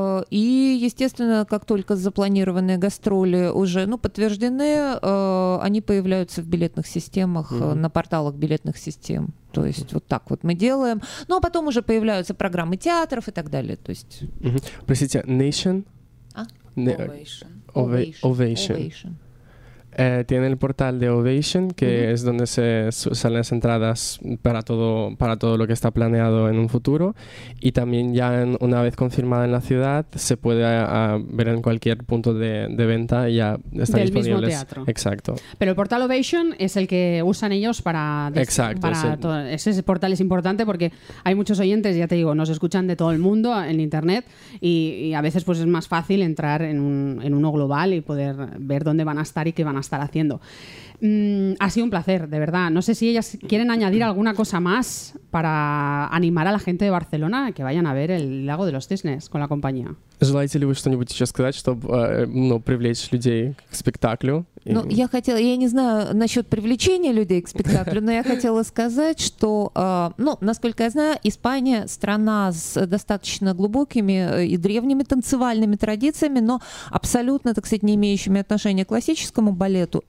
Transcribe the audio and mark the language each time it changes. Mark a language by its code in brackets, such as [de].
[ru] И, естественно, как только запланированные гастроли уже подтверждены, они появляются в билетных системах, на порталах билетных систем. То есть вот так вот мы делаем. Ну, а потом уже появляются программы театров и так далее. То есть... Простите, Nation? Ovation. Ovation. [es] Tiene el portal de Ovation, que es donde se salen las entradas para todo lo que está planeado en un futuro. Y también ya una vez confirmada en la ciudad, se puede ver en cualquier punto de venta y ya está disponible. Del mismo teatro. Exacto. Pero el portal Ovation es el que usan ellos para... Exacto. Para ese portal es importante porque hay muchos oyentes, ya te digo, nos escuchan de todo el mundo en internet y a veces pues es más fácil entrar en uno global y poder ver dónde van a estar y qué van a estar haciendo. Ha sido un placer, de verdad. No sé si ellas quieren añadir alguna cosa más para animar a la gente de Barcelona a que vayan a ver el Lago de los Cisnes con la compañía. [ru] Желаете ли вы что-нибудь еще сказать, чтобы привлечь людей к спектаклю? Ну, я хотела, я не знаю насчет привлечения людей к спектаклю, но я хотела сказать, что, насколько я знаю, Испания – страна с достаточно глубокими и древними танцевальными традициями, но абсолютно, так сказать, не имеющими отношения к классическому балету.